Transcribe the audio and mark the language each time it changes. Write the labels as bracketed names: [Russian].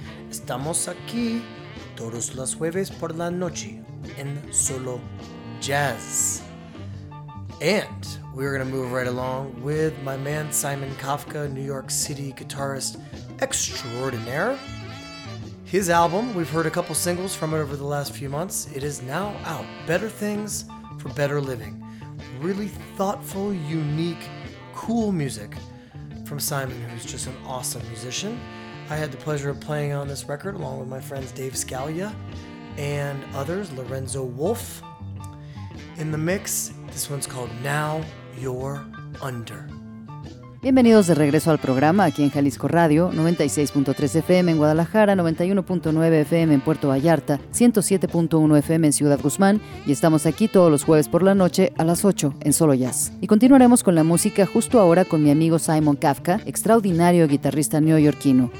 [Spanish] Estamos aquí todos los jueves por la noche en Solo Jazz. [English] And we're going to move right along with my man Simon Kafka, New York City guitarist extraordinaire. His album, we've heard a couple singles from it over the last few months. It is now out. Better Things for Better Living. Really thoughtful, unique, cool music from Simon, who's just an awesome musician. I had the pleasure of playing on this record along with my friends Dave Scalia and others, Lorenzo Wolf. In the mix, this one's called Now You're Under. [Spanish] Bienvenidos de regreso al programa aquí en Jalisco Radio, 96.3 FM en Guadalajara, 91.9 FM en Puerto Vallarta, 107.1 FM en Ciudad Guzmán, y estamos aquí todos los jueves por la noche a las 8 en Solo Jazz. Y continuaremos con la música justo ahora con mi amigo Simon Kafka, extraordinario guitarrista neoyorquino.